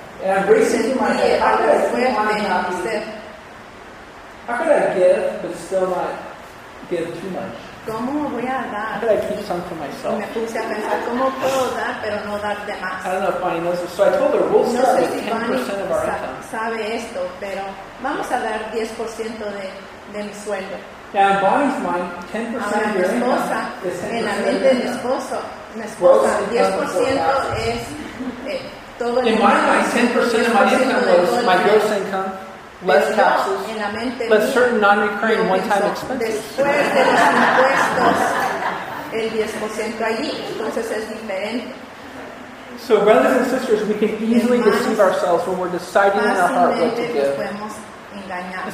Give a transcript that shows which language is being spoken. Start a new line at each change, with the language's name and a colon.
English: And I'm racing through my head, how could I give, but still not give too much? How could I keep some for myself? I don't know if Bonnie knows this. So I told her, we'll start with 10% of our income.
Spanish: Sabe esto, pero vamos a dar 10% de mi sueldo.
English: Now, Bonnie's mind, 10% of your
Spanish: esposa,
English: income is
Spanish: 10% en la mente de mi esposo, mi esposa, 10% es todo
English: in In my mind, 10% of my income was my gross income, less taxes, but certain non-recurring one-time expenses.
Spanish: Después de los impuestos, el 10% allí, entonces es diferente.
English: So, brothers and sisters, we can easily deceive ourselves when we're deciding in our heart what to give.